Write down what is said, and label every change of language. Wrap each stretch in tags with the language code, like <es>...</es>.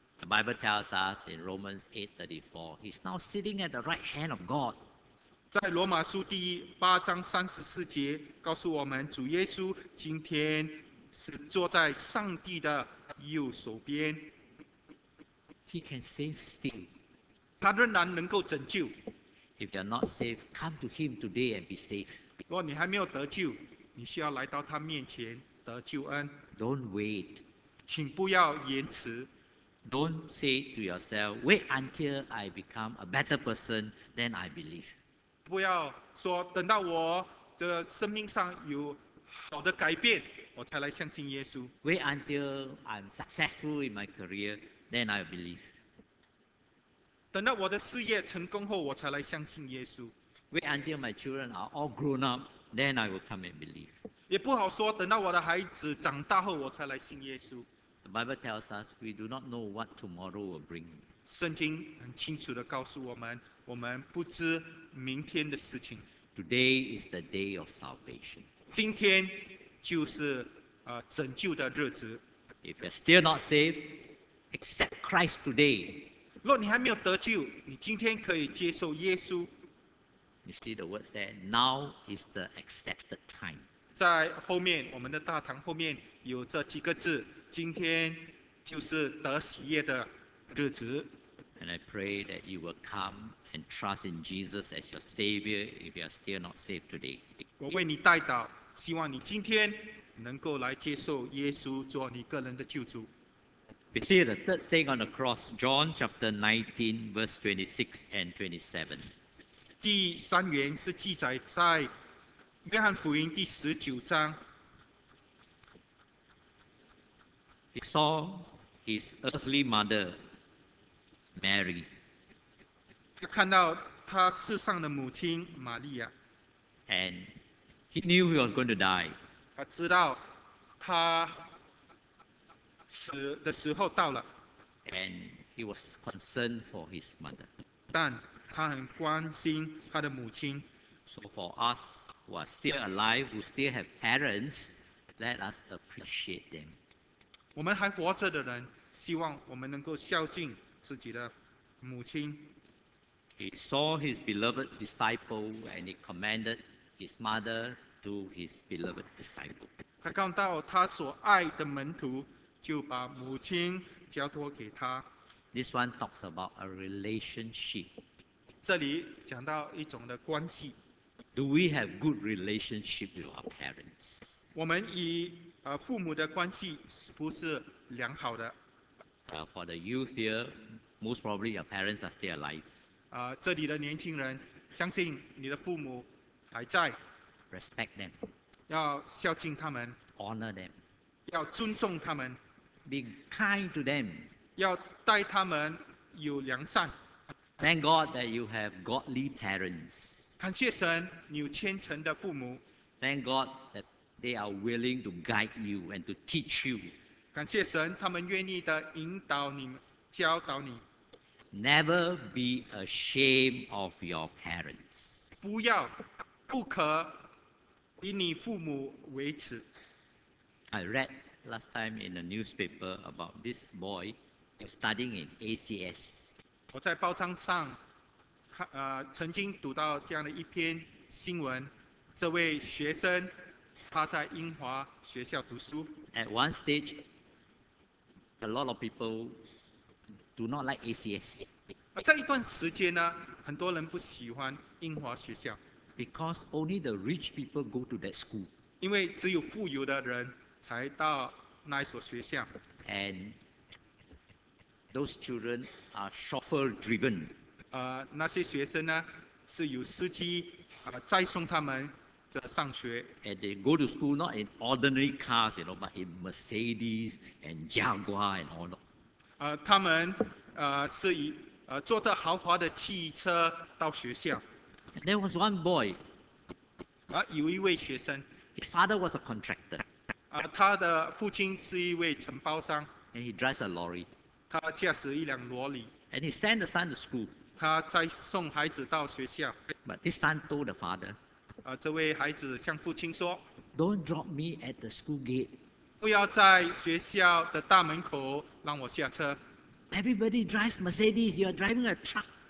<en>The Bible tells us in Romans 8:34, He's now sitting at the right hand of God.</en> <zh>在罗马书第八章三十四节告诉我们，主耶稣今天是坐在上帝的右手边。</zh> <en>He can save still.</en> <zh>他仍然能够拯救。</zh> <en>If you are not saved, come to Him today and be saved.</en> <zh>若你还没有得救，你需要来到他面前得救恩。</zh> <en>Don't wait.</en> <zh>请不要延迟。</zh> <en>Don't say to yourself, "Wait until I become a better person, then I believe."</en> <zh>不要说等到我这生命上有好的改变，我才来相信耶稣。</zh> <en>Wait until I'm successful in my career, then I believe.</en> <zh>等到我的事业成功后，我才来相信耶稣。</zh> <en>Wait until my children are all grown up, then I will come and believe.</en> <zh>也不好说，等到我的孩子长大后，我才来信耶稣。</zh> <en>The Bible tells us we do not know what tomorrow will bring.</en> <zh>圣经很清楚地告诉我们，我们不知明天的事情。</zh> <en>Today is the day of salvation.</en> <zh>今天就是拯救的日子。</zh> <en>If you're still not saved, accept Christ today.</en> <zh>若你还没有得救，你今天可以接受耶稣。</zh> <en>You see the words there. Now is the accepted time.</en> <zh>在后面，我们的大堂后面有这几个字：今天就是得喜悦的日子。</zh> <en>And I pray that you will come and trust in Jesus as your Savior if you are still not saved today.</en> <zh>我为你代祷，希望你今天能够来接受耶稣做你个人的救主。</zh> <en>We see the third saying on the cross, John chapter 19, verse 26 and 27.</en> <zh>第三原是记载在约翰福音第十九章。</zh> <en>He saw his earthly mother, Mary,</en> <zh>看到他世上的母亲玛利亚。</zh> <en>And he knew he was going to die.</en> <zh>他知道他死的时候到了。</zh> <en>And he was concerned for his mother.</en> <zh>但他很关心他的母亲。</zh> <en>So for us who are still alive, who still have parents, let us appreciate them.</en> <zh>我们还活着的人，希望我们能够孝敬自己的母亲。</zh> <en>He saw his beloved disciple and he commended his mother to his beloved disciple.</en> <zh>他看到他所爱的门徒，就把母亲交托给他。</zh> <en>This one talks about a relationship.</en> <zh>这里讲到一种的关系。</zh> <en>Do we have good relationship with our parents?</en> <zh>我们与父母的关系是不是良好的？</zh> <en>For the youth here, most probably your parents are still alive.</en> <zh>这里的年轻人，相信你的父母还在。</zh> <en>Respect them.</en> <zh>要孝敬他们。</zh> <en>Honor them.</en> <zh>要尊重他们。</zh> <en>Be kind to them.</en> <zh>要待他们有良善。</zh> <en>Thank God that you have godly parents.</en> <zh>感谢神，你有虔诚的父母。</zh> <en>Thank God that they are willing to guide you and to teach you.</en> <zh>感谢神，他们愿意的引导你，教导你。</zh> <en>Never be ashamed of your parents.</en> <zh>不要，不可以你父母为耻。</zh> <en>I read last time in a newspaper about this boy studying in ACS.</en> <zh>我在报章上曾经读到这样的一篇新闻，这位学生他在英华学校读书。</zh> <en>At one stage, a lot of people do not like ACS.</en> <zh>在一段时间呢，很多人不喜欢英华学校。</zh> <en>Because only the rich people go to that school.</en> <zh>因为只有富有的人才到那所学校。</zh> <en>And those children are chauffeur driven.</en> <zh>那些学生呢，是有司机载送他们的上学。</zh> <en>And they go to school not in ordinary cars, you know, but in Mercedes and Jaguar and all that.</en> <zh>他们是以坐着豪华的汽车到学校。</zh> <en>And there was one boy.</en> <zh>有一位学生。</zh> <en>His father was a contractor.</en> <zh>他的父亲是一位承包商。</zh> <en>And he drives a lorry.</en> <zh>他驾驶一辆罗里。</zh> <en>And he sent the son to school.</en> <zh>他在送孩子到学校。</zh> <en>But this son told the father.</en> <zh>这位孩子向父亲说，</zh> <en>Don't drop me at the school gate.</en> <zh>不要在学校的大门口让我下车。</zh> <en>Everybody drives Mercedes, you are driving a truck.</en>